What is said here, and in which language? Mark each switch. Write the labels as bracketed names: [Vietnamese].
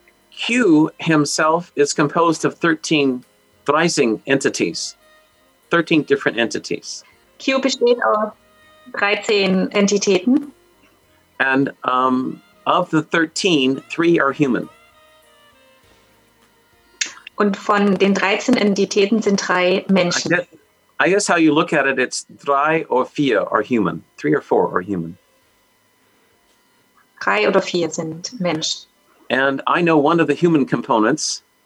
[English] Q himself is composed of 13 rising entities. 13 different entities. [German] Q besteht aus 13 Entitäten. [English] And of the 13, 3 are human. [German] Und von den 13 Entitäten sind 3 Menschen. [English] I guess how you look at it, it's 3 or 4 are human. 3 or 4 are human. [German] 3 oder 4 sind Mensch. [English] And I know one of the human components.